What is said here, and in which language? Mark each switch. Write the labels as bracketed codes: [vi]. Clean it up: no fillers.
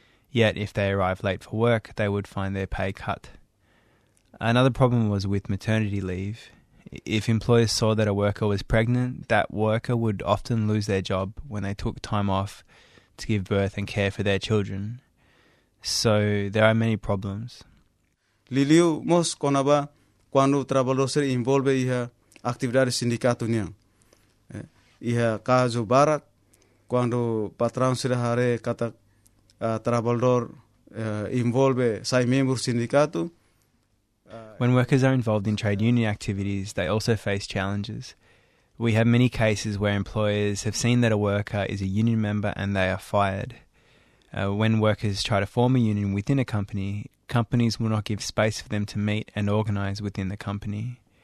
[en] Yet, if they arrived late for work, they would find their pay cut. Another problem was with maternity leave. If employers saw that a worker was pregnant, that worker would often lose their job when they took time off to give birth and care for their children. So there are many problems. [tet] Liliu mos konaba quando trabalhador envolve iha atividade sindicato nian. Iha caso barat quando patrão sira hare kata trabalhador envolve sai membro sindicato. [en] When workers are involved in trade union activities, they also face challenges. We have many cases where employers have seen that a worker is a union member and they are fired. When workers try to form a union within a company, companies will not give space for them to meet and organise within the company.